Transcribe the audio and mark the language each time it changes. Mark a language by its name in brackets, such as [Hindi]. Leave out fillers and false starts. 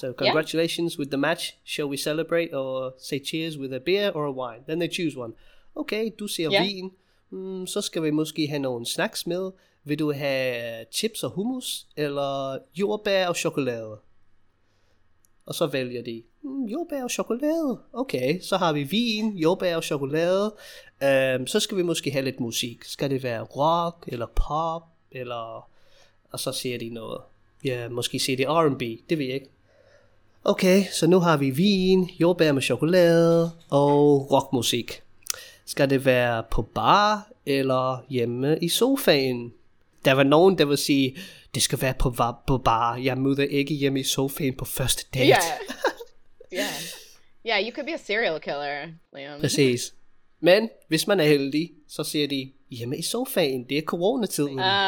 [English] So congratulations with the match. Shall we celebrate or say cheers with a beer or a wine? Then they choose one. Okay, [Danish] du siger vin. Så skal vi måske have nogle snacks med. Vil du have chips og hummus, eller jordbær og chokolade? Og så vælger de. jordbær og chokolade. Okay, så har vi vin, jordbær og chokolade. Så skal vi måske have lidt musik. Skal det være rock eller pop? Eller... Og så siger de noget. Ja, måske siger de R&B. Det ved jeg ikke. Okay, så nu har vi vin, jordbær med chokolade og rockmusik. Skal det være på bar eller hjemme i sofaen? Der var nogen, der ville sige, det skal være på bar. Jeg møder ikke hjemme i sofaen på første date. Yeah. Yeah. [English] Yeah, you could be a serial killer, Liam. [Danish] Præcis. Men hvis man er heldig, så siger de, hjemme i sofaen, det er coronatiden.